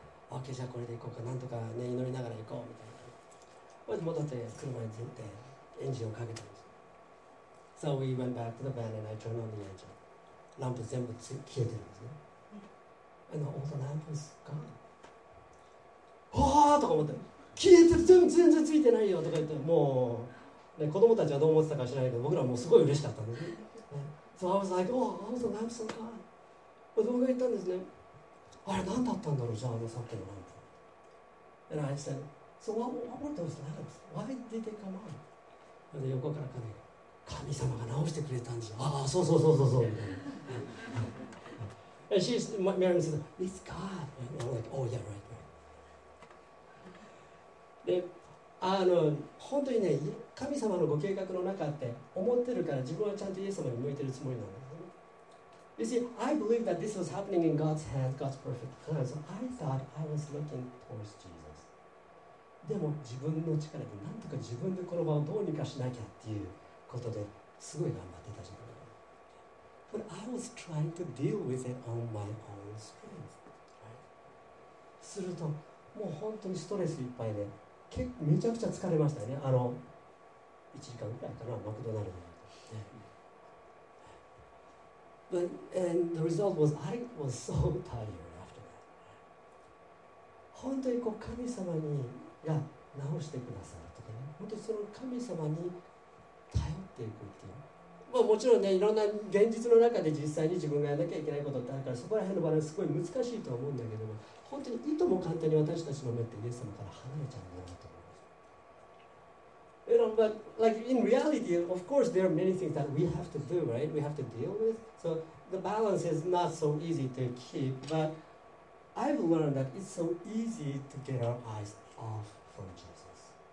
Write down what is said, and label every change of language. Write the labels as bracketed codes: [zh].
[ja] Okay, じゃあこれで行こうか。なんとかね祈りながら行こうみたいな。まず戻って車に乗ってエンジンをかけてます。 [en] So we went back to the van and I turned on the engine. [ja] ランプ全部消えてるんですね。 [en] And all the lamp was gone. [ja] わーとか思って。消えてる、全然ついてないよとか言って、もう、ね、子供たちはどう思ってたか知らないけど、僕らはもうすごい嬉しかったんです。 [en] So I was like, oh, how's the lamp so gone? [ja] 僕が言ったんですね。あれ、何だったんだろう、じゃあ、あのさっきのランプ。 [en] And I said, so what were those lamps? Why did they come on? [ja] それで横から彼、神様が直してくれたんじゃ。ああ、そうそう。 [en] And she's, Mary said, it's God. And I'm like, oh, yeah, right. [ja] で、あの本当にね、神様のご計画の中って思ってるから、自分はちゃんとイエス様に向いてるつもりなの。 [en] You see, I believe that this was happening in God's hand, God's perfect plan. So I thought I was looking towards Jesus. [ja] でも自分の力でなんとか自分でこの場をどうにかしなきゃっていうことですごい頑張ってたじゃん。 [en] But I was trying to deal with it on my own strength. [ja] すると。もう本当にストレスいっぱいで、ね、めちゃくちゃ疲れましたね。あの1時間ぐらいかな、マクドナルドで。 [en] But and the result was I was so tired after that. [ja] 本当にこう神様にが直してくださるとかね、本当にその神様に頼っていくっていう、まあ、もちろんね、いろんな現実の中で実際に自分がやらなきゃいけないことってあるから、そこら辺のバランスすごい難しいと思うんだけども、本当にいとも簡単に私たちの目ってイエス様から離れちゃうんだなと思います。 [en] You know, but like in reality, of course there are many things that we have to do, right? We have to deal with. So the balance is not so easy to keep, but I've learned that it's so easy to get our eyes off from Jesus.